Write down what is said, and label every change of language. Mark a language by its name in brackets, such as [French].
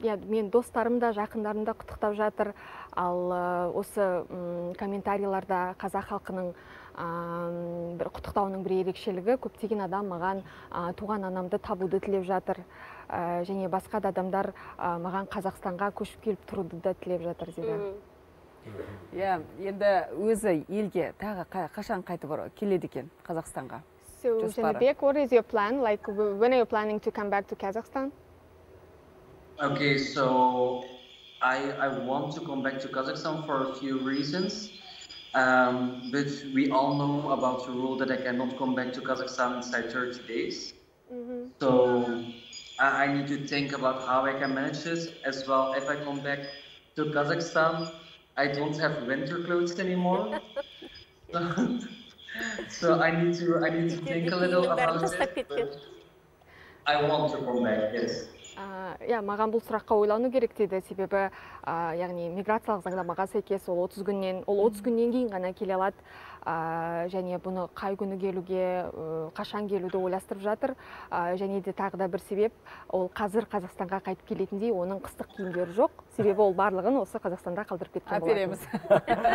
[Kazakh] Мен достарым да, жақындарым да құттықтап жатыр. Ал осы комментарийларда қазақ халқының бір құттықтауының бір ерекшелігі, көптеген адам маған туған анамды табуды тілеп жатыр. Және басқа да адамдар маған Қазақстанға көшіп келіп тұруды да тілеп жатыр деді. Енді өзі елге тағы қашан қайтып келеді екен Қазақстанға? [English] So, Жәнібек, what is your plan? Like, when are you planning to come back to Kazakhstan? Okay, so I want to come back to Kazakhstan for a few reasons. But we all know about the rule that I cannot come back to Kazakhstan inside 30 days. Mm-hmm. So I need to think about how I can manage this as well. If I come back to Kazakhstan, I don't have winter clothes anymore. So I need to think a little about this. I want to come back, yes. [Kazakh] Маған бұл сұраққа ойлану керек деді, себебі яғни миграциялық заңнамаға сәйкес ол 30 күннен кейін ғана келе алады, және бұны қай күні келуге, қашан келуді ойластырып жатыр. Және де тағы да бір себеп, ол қазір Қазақстанға қайтып келетіндей оның қыстық киімдері жоқ, себебі ол барлығын осы Қазақстанда қалдырып кеткен